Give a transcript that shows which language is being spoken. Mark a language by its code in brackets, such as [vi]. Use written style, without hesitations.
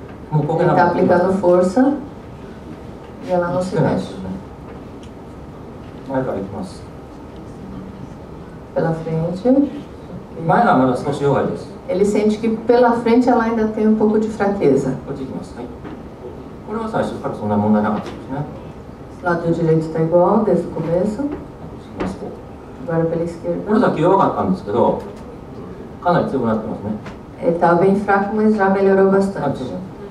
[ja] もうこけなくなってきます。いや、なのせないですね。前からいきます。 [pt] Pela frente。 [ja] 前がまだ少し弱いです。 [pt] Ele sente que pela frente ela ainda tem um pouco de fraqueza。 [ja] こっちいきます。はい。これは最初からそんな問題なかったですね。 [pt] Lado direito está igual desde o começo。 Agora pela esquerda。 [ja] これだけ弱かったんですけど、かなり強くなってますね。 [pt] Ele estava bem fraco, mas já melhorou bastante。